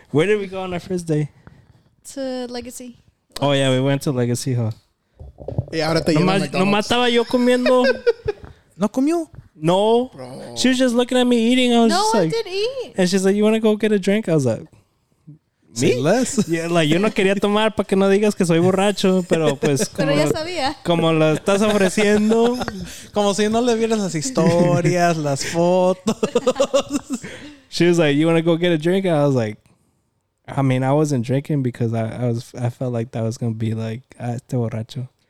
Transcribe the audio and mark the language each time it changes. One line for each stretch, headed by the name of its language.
English: Where did we go on our first day? To Legacy. Oh, yeah, we went to Legacy, huh?
Spanish: Yeah, ahora te llevo a McDonald's. Nomás estaba yo comiendo. ¿No comió?
English: No. Bro. She was just looking at me eating. I was no, just like, I did eat. And she's like, you want to go get a drink? I was like, me? Say less.
Spanish: Yeah, like, yo no quería tomar para que no digas que soy borracho, pero pues como, pero ya sabía. Como lo estás ofreciendo, como si no le vieras las historias, las fotos.
English: She was like, you want to go get a drink? And I was like, I mean, I wasn't drinking because I felt like that was going to be like,
Spanish: este borracho.